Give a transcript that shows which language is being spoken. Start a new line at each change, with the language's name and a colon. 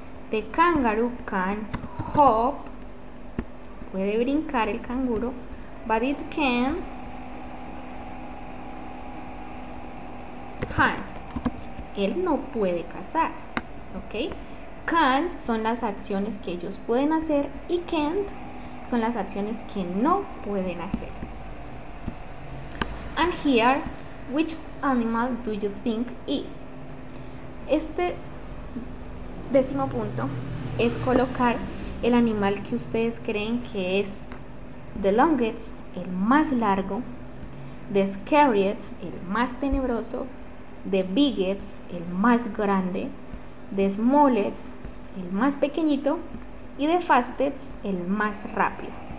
English: The kangaroo can't hop,
Spanish: puede brincar el canguro,
English: but it can't hunt,
Spanish: él no puede cazar,
English: ¿ok?
Spanish: Can't son las acciones que ellos pueden hacer y can't son las acciones que no pueden hacer.
English: And here, which animal do you think is?
Spanish: Este décimo punto es colocar el animal que ustedes creen que es.
English: The longest,
Spanish: el más largo.
English: The scariest,
Spanish: el más tenebroso.
English: The biggest,
Spanish: el más grande.
English: The smallest,
Spanish: el más pequeñito. Y
English: the fastest,
Spanish: el más rápido.